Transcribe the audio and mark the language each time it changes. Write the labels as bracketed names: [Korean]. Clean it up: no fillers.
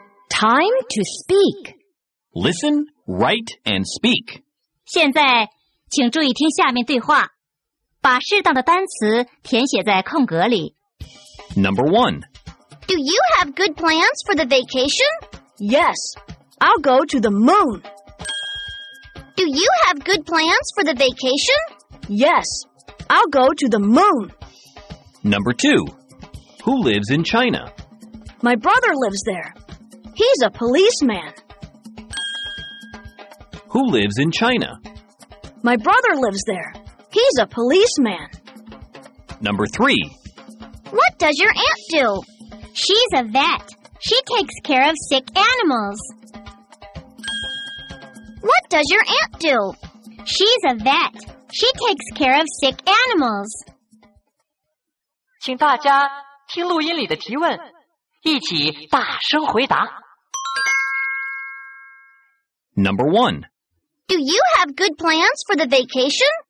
[English] Time to speak. Listen, write, and speak. [Chinese] 现在请注意听下面对话，把适当的单词填写在空格里。 [English] Number 1. Do you have good plans for the vacation? Yes, I'll go to the moon. Do you have good plans for the vacation? Yes, I'll go to the moon. Number 2. Who lives in China? My brother lives there. He's a policeman. Who lives in China? My brother lives there. He's a policeman. Number 3. What does your aunt do? She's a vet. She takes care of sick animals. What does your aunt do? She's a vet. She takes care of sick animals. [Chinese] 请大家听录音里的提问，一起大声回答。 [English] Number one. Do you have good plans for the vacation?